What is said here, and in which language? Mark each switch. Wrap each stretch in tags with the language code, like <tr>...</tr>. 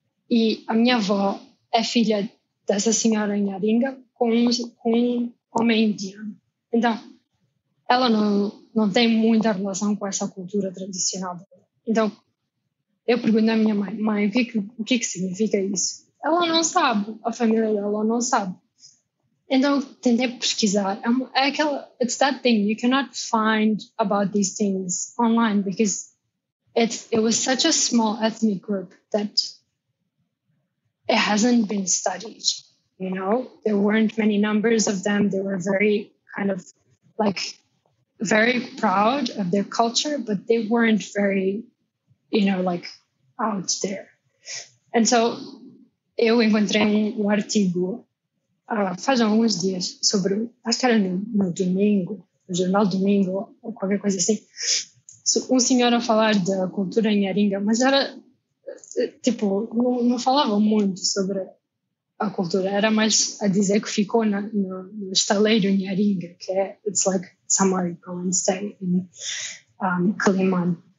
<pt>E a minha avó é filha dessa senhora Inharinga com um homem indiano. Então, ela não tem muita relação com essa cultura tradicional dela. Então, eu pergunto à minha mãe, o que significa isso? Ela não sabe, a família dela não sabe. Então, tentei pesquisar. É aquela,</pt> <en>it's that thing, you cannot find about these things online because it was such a small ethnic group that it hasn't been studied, you know? There weren't many numbers of them. They were very kind of like very proud of their culture, but they weren't very, you know, like out there. And so...</en> <pt>Eu encontrei um artigo faz alguns dias sobre, acho que era no domingo, no jornal Domingo, ou qualquer coisa assim, um senhor a falar da cultura Inharinga, mas era, tipo, não falava muito sobre a cultura, era mais a dizer que ficou no estaleiro Inharinga, que é,</pt> <en>it's like summer going to stay in Kalimana.</en>